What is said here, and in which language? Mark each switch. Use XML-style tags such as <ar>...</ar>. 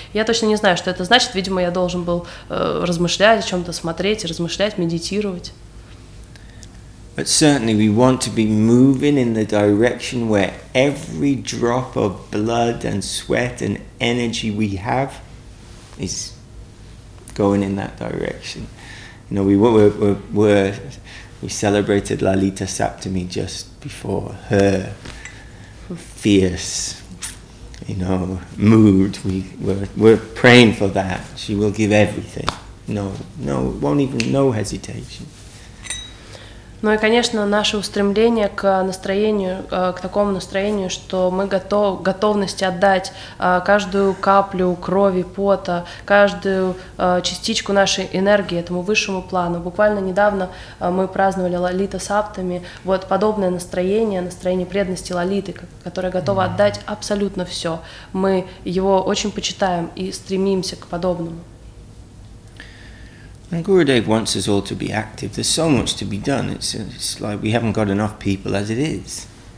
<ru>Я точно не знаю, что это значит, видимо, я должен был размышлять о чем-то, смотреть, размышлять, медитировать.</ru> <en>But certainly we want to be moving in the direction where every drop of blood and sweat and energy we have is going in that direction. You know, we celebrated Lalita Saptami just before. Her fierce, you know, mood. We're praying for that. She will give everything. No, won't even, no hesitation.</en> <ru>Ну и, конечно, наше устремление к настроению, к такому настроению, что мы готовность отдать каждую каплю крови, пота, каждую частичку нашей энергии этому высшему плану. Буквально недавно мы праздновали Лалита Саптами. Вот подобное настроение, настроение преданности Лалиты, которая готова отдать абсолютно все. Мы его очень почитаем и стремимся к подобному.</ru> <en>And Gurudev wants us all to be active. There's so much to be done. It's like we haven't got enough people as it is.</en>